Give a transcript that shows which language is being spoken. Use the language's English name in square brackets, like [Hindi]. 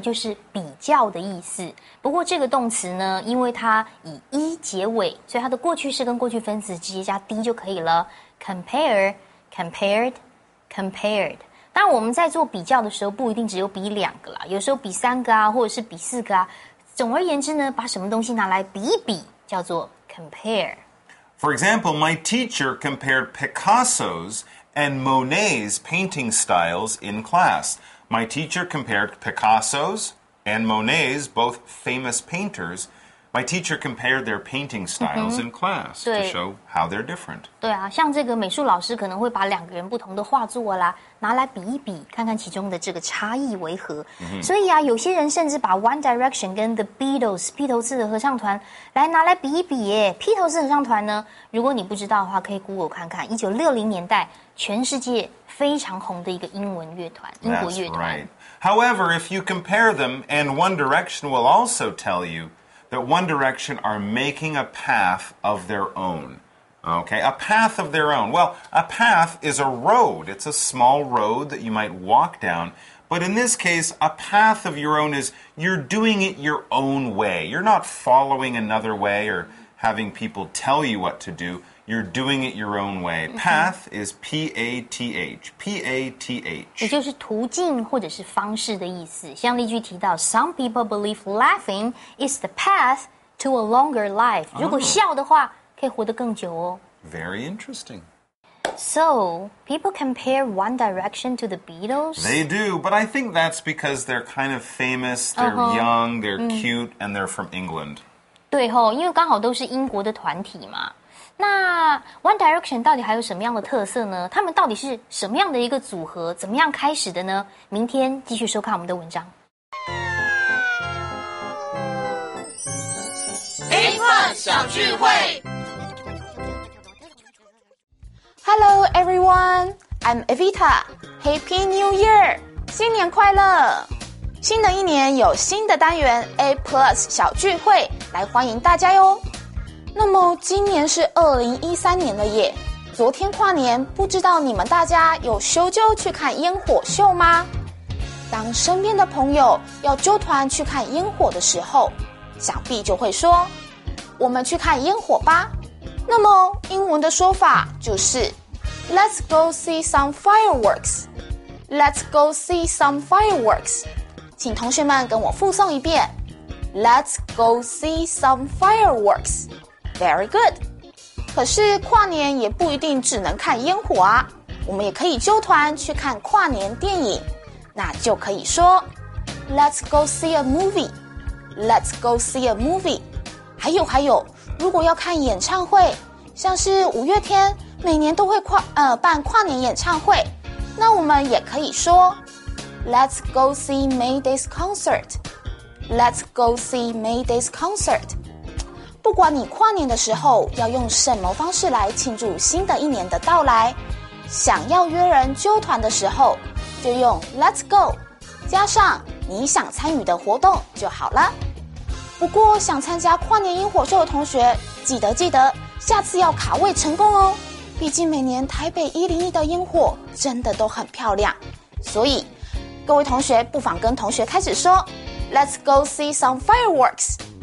[Chinese] 就是比较的意思。不过这个动词呢，因为它以一结尾，所以它的过去式跟过去分词直接加 d 就可以了。 [English] compare, compared, compared。 [Chinese] 当我们在做比较的时候，不一定只有比两个啦，有时候比三个啊，或者是比四个啊。总而言之呢，把什么东西拿来比一比，叫做 compare。 [English] For example, my teacher compared Picasso's and Monet's painting styles in class. My teacher compared Picasso's and Monet's, both famous painters. My teacher compared their painting styles in class to show how they're different. [Chinese] 对啊，像这个美术老师可能会把两个人不同的画作啦，拿来比一比，看看其中的这个差异为何。所以啊，有些人甚至把 One Direction 跟 The Beatles 披头士的合唱团来拿来比一比耶。披头士合唱团呢，如果你不知道的话，可以 Google 看看，1960年代全世界非常红的一个英文乐团，英国乐团。 [English] That's right. However, if you compare them, and One Direction will also tell you,that One Direction are making a path of their own. Okay, a path of their own. Well, a path is a road. It's a small road that you might walk down. But in this case, a path of your own is you're doing it your own way. You're not following another way or having people tell you what to do. You're doing it your own way. Path is P-A-T-H. P-A-T-H. [Chinese] 也就是途径或者是方式的意思。像例句提到 [English] ,Some people believe laughing is the path to a longer life. [Chinese] 如果笑的话可以活得更久哦。 [English] Very interesting. So, people compare One Direction to the Beatles? They do, but I think that's because they're kind of famous, they're young, they're cute, and they're from England. [Chinese] 对吼，因为刚好都是英国的团体嘛。那 One Direction 到底还有什么样的特色呢？他们到底是什么样的一个组合？怎么样开始的呢？明天继续收看我们的文章。 A-Fun 小聚会。 [English] Hello everyone, I'm Evita. Happy New Year! [Chinese] 新年快乐！新的一年有新的单元 A Plus 小聚会来欢迎大家哟。那么今年是2013年了耶，昨天跨年，不知道你们大家有休就去看烟火秀吗？当身边的朋友要揪团去看烟火的时候，想必就会说，我们去看烟火吧。那么英文的说法就是 [English] Let's go see some fireworks. Let's go see some fireworks. [Chinese] 请同学们跟我复诵一遍 [English] Let's go see some fireworks. Very good. [Chinese] 可是跨年也不一定只能看烟火啊，我们也可以揪团去看跨年电影，那就可以说 [English] Let's go see a movie. Let's go see a movie. [Chinese] 还有还有，如果要看演唱会，像是五月天每年都会办跨年演唱会，那我们也可以说 [English] Let's go see May Day's concert. Let's go see May Day's concert. [Chinese] 不管你跨年的时候要用什么方式来庆祝新的一年的到来，想要约人揪团的时候就用 [English] Let's go [Chinese] 加上你想参与的活动就好了。不过想参加跨年烟火秀的同学，记得记得下次要卡位成功哦，毕竟每年台北101的烟火真的都很漂亮，所以各位同学不妨跟同学开始说 [English] Let's go see some fireworks.